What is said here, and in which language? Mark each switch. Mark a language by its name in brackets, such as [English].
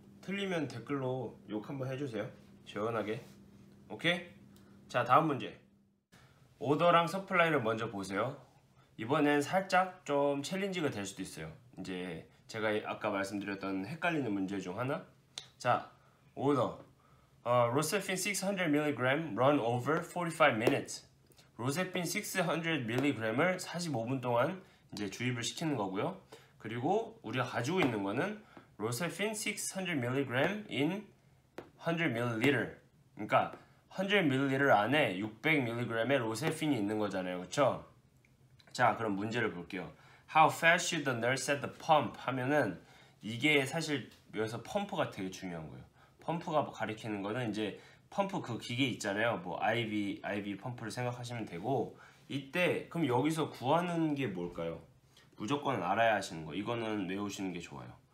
[Korean] 틀리면 댓글로 욕 한번 해주세요. 시원하게. 오케이? 자, 다음 문제. 오더랑 서플라이를 먼저 보세요. 이번엔 살짝 좀 챌린지가 될 수도 있어요. 이제 제가 아까 말씀드렸던 헷갈리는 문제 중 하나. 자, 오더. [English] 로세핀 600mg run over 45 minutes. [Korean] 로세핀 600mg을 45분 동안 이제 주입을 시키는 거고요. 그리고 우리가 가지고 있는 거는 로세핀 600mg in 100ml. 그러니까 100ml 안에 600mg의 로세핀이 있는 거잖아요. 그렇죠? 자, 그럼 문제를 볼게요. [English] How fast should the nurse set the pump? [Korean] 하면은 이게 사실 여기서 펌프가 되게 중요한 거예요. 펌프가 가리키는 거는 이제 펌프 그 기계 있잖아요. 뭐 IV 펌프를 생각하시면 되고 이때 그럼 여기서 구하는 게 뭘까요? 무조건 알아야 하시는 거. 이거는 외우시는 게 좋아요.